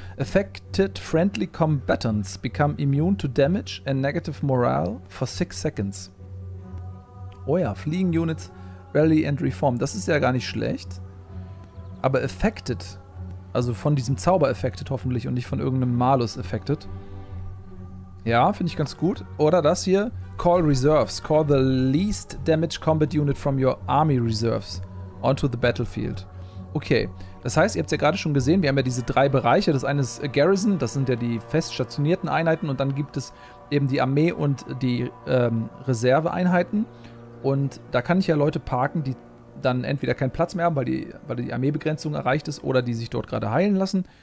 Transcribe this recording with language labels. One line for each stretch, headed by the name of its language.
English: Affected friendly combatants become immune to damage and negative morale for 6 seconds.
German: Oh ja, Fliegen Units, Rally and Reform. Das ist ja gar nicht schlecht. Aber affected, also von diesem Zauber affected hoffentlich und nicht von irgendeinem Malus affected. Ja, finde ich ganz gut. Oder das hier, Call Reserves.
English: Call the least damaged combat unit from your army reserves onto the battlefield.
German: Okay, das heißt, ihr habt es ja gerade schon gesehen, wir haben ja diese drei Bereiche. Das eine ist Garrison, das sind ja die fest stationierten Einheiten. Und dann gibt es eben die Armee und die Reserveeinheiten. Und da kann ich ja Leute parken, die dann entweder keinen Platz mehr haben, weil die Armeebegrenzung erreicht ist, oder die sich dort gerade heilen lassen.